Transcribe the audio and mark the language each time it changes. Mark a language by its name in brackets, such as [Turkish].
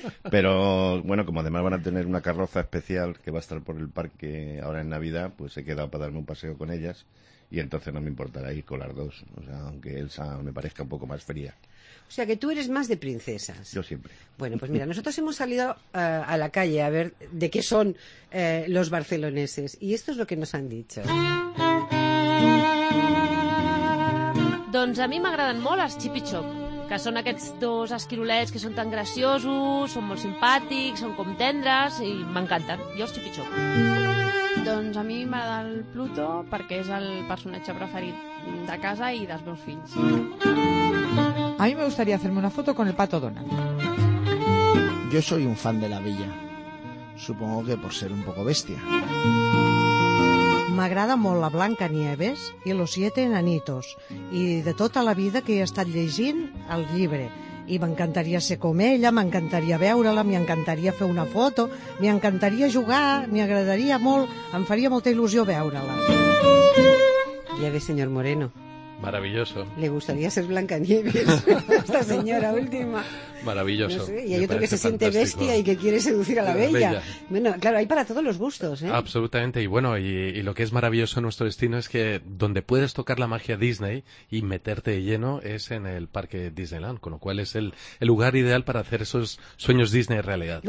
[Spanish] Pero bueno, como además van a tener una carroza especial que va a estar por el parque ahora en Navidad, pues he quedado para darme un paseo con ellas y entonces no me importará ir con las dos, o sea, aunque Elsa me parezca un poco más fría. O sea, que tú eres más de princesas. Yo siempre. Bueno, pues mira, nosotros hemos salido a la calle a ver de qué son los barceloneses. Y esto es lo que nos han dicho. [Catalan] Doncs a mi m'agraden molt els Chip i Chop, que són aquests dos esquirolets que són tan graciosos, són molt simpàtics, són com tendres i m'encanten. Jo els Chip i Chop. Doncs a mi m'agrada el Pluto perquè és el personatge preferit de casa i dels meus fills. [Spanish] A mí me gustaría hacerme una foto con el pato Donald. Yo soy un fan de la Bella. Supongo que por ser un poco bestia. [Catalan] M'agrada molt la Blanca Nieves i [Spanish] los siete enanitos. [Catalan] I de tota la vida que he estat llegint el llibre. I m'encantaria ser com ella, m'encantaria veure-la, m'encantaria fer una foto, m'encantaria jugar, m'agradaria molt, em faria molta il·lusió veure-la. Ja ve, senyor Moreno. [Spanish] Maravilloso. Le gustaría ser Blancanieves, esta señora última. Maravilloso. No sé, y hay otro que se fantástico. Siente bestia y que quiere seducir a la bella. Bueno, claro, hay para todos los gustos, ¿eh? Absolutamente. Y bueno, y lo que es maravilloso en nuestro destino es que donde puedes tocar la magia Disney y meterte de lleno es en el parque Disneyland, con lo cual es el lugar ideal para hacer esos sueños Disney realidad.